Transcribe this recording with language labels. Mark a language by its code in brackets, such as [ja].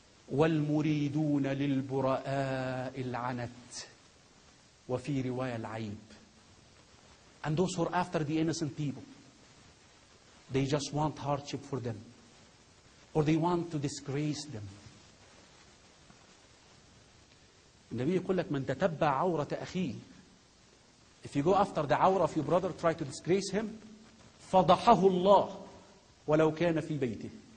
[ar] والمريدون للبراء العنت, وفي رواية العيب. [en] And those who are after the innocent people, they just want hardship for them, or they want to disgrace them. [ar] النبي يقول لك من تتبع عورة أخيه, [en] if you go after the عورة of your brother, try to disgrace him, [ar] فضحه الله ولو كان في بيته.